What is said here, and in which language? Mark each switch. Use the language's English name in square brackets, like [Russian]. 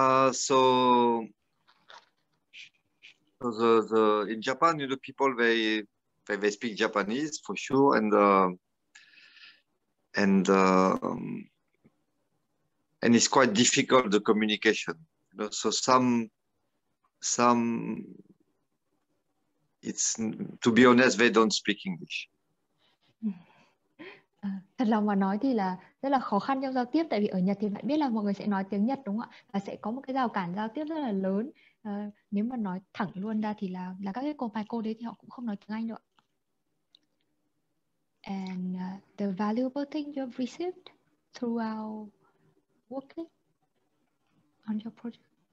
[English] So in Japan, you know, people they speak Japanese for sure, and it's quite difficult, the communication. You know, so some it's, to be honest, they don't speak English. [Vietnamese] Thật lòng mà nói thì là rất là khó khăn trong giao tiếp, tại vì ở Nhật thì bạn biết là mọi người sẽ nói tiếng Nhật đúng không ạ, và sẽ có một cái rào cản giao tiếp rất là lớn. Nếu mà nói thẳng luôn ra thì là các cái cô bài cô đấy thì họ cũng không nói tiếng Anh được ạ. [English] and the valuable thing you've received throughout working on your project?